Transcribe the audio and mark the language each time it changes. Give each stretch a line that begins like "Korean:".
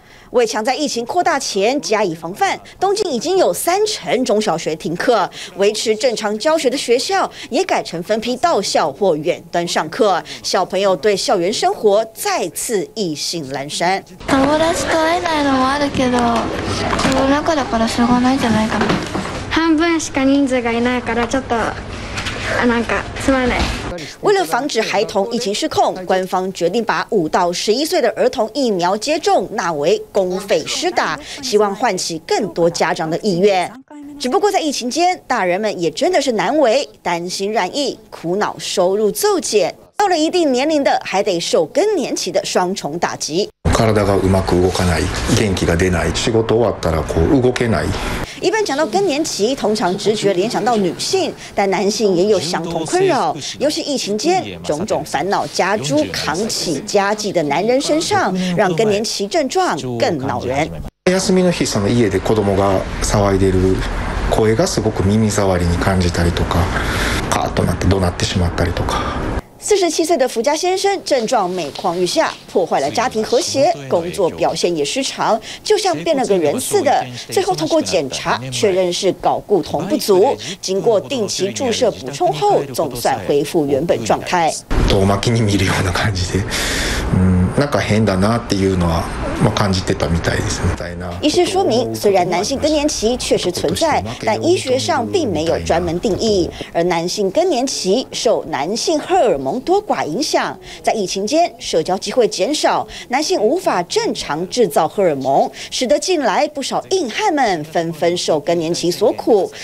Chinese: 为强在疫情扩大前加以防范，东京已经有三成中小学停课，维持正常教学的学校也改成分批到校或远端上课，小朋友对校园生活再次意兴阑珊。
Japanese: 友達と会えないのもあるけど、コロナ禍だからしょうがないじゃないかな。半分しか人数がいないからちょっと。
Chinese: 为了防止孩童疫情失控，官方决定把5到11岁的儿童疫苗接种纳为公费施打，希望唤起更多家长的意愿。只不过在疫情间，大人们也真的是难为，担心染疫，苦恼收入骤减，到了一定年龄的还得受更年期的双重打击。
Japanese: 体がうまく動かない、元気が出ない、仕事終わったらこう動けない。
Chinese: 一般讲到更年期，通常直觉联想到女性，但男性也有相同困扰。尤其疫情间，种种烦恼加诸扛起家计的男人身上，让更年期症状更恼人。
Japanese: 休みの日、その家で子供が騒いでる声がすごく耳障りに感じたりとか、カーッとなって怒鳴ってしまったりとか。
Chinese: 47岁的福家先生症状每况愈下，破坏了家庭和谐，工作表现也失常，就像变了个人似的。最后通过检查确认是睾固酮不足，经过定期注射补充后，总算恢复原本状态。
Japanese: 遠巻きに見るような感じで、なんか変だなっていうのは。感じてたみたいですね。
Chinese: 医师说明，虽然男性更年期确实存在，但医学上并没有专门定义。而男性更年期受男性荷尔蒙多寡影响，在疫情间社交机会减少，男性无法正常制造荷尔蒙，使得近来不少硬汉们纷纷受更年期所苦。